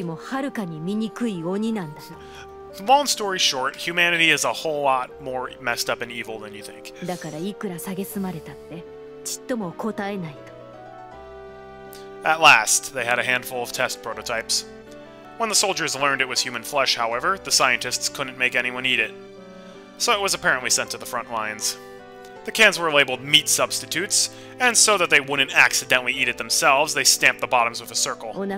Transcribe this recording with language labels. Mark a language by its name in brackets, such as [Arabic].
[Japanese] 祖父を人肉食いと蔑んでおきながら、自分たちはさらにその上を行っていたのですから。祖父はいつも思っていたそうです。たとえ自分が卑しい食人鬼だとしても、彼らはそれよりもはるかに醜い鬼なんだと。 [English] Long story short, humanity is a whole lot more messed up and evil than you think. [Japanese] だからいくら蔑まれたって、ちっとも答えないと。 [English] At last, they had a handful of test prototypes. When the soldiers learned it was human flesh, however, the scientists couldn't make anyone eat it. So it was apparently sent to the front lines. The cans were labeled meat substitutes, and so that they wouldn't accidentally eat it themselves, they stamped the bottoms with a circle.